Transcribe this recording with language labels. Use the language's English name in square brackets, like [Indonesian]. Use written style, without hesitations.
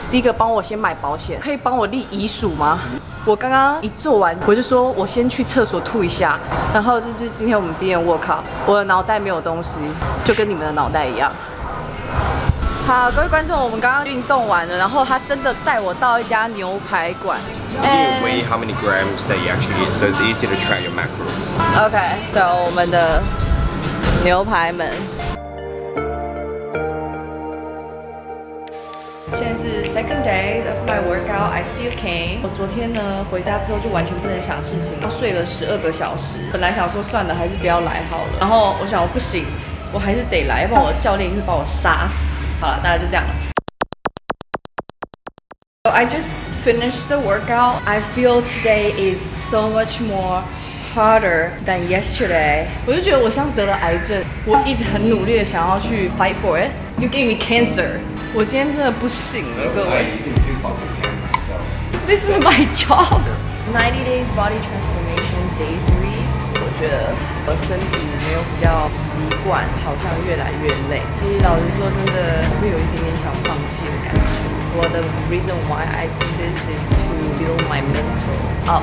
[Chinese] 第一个帮我先买保险，可以帮我立遗嘱吗？我刚刚一做完，我就说我先去厕所吐一下。然后就是今天我们第一天 workout， 我的脑袋没有东西，就跟你们的脑袋一样。好，各位观众，我们刚刚运动完了，然后他真的带我到一家牛排馆。 [English] You weigh how many grams that you actually eat, so it's easy to track your macros. [Chinese] Okay, so 我们的牛排们。现在是 [English] second day of my workout. I still can't. [Chinese] 我昨天呢回家之后就完全不能想事情，睡了12个小时。本来想说算了，还是不要来好了。然后我想我不行，我还是得来，不然我的教练会把我杀死。好了，大家就这样了。 [English] I just finished the workout. I feel today is so much more harder than yesterday. [Chinese] 我就觉得我像得了癌症，我一直很努力的想要去 [English] fight for it. You gave me cancer. [Chinese] 我今天真的不行了，各位。 [English] This is my job. 90 days body transformation day 3。 [Chinese] 我觉得我身体没有比较习惯，好像越来越累。所以老实说，真的会有一点点想放弃的感觉。 [English] Well, the reason why I do this is to build my mental up.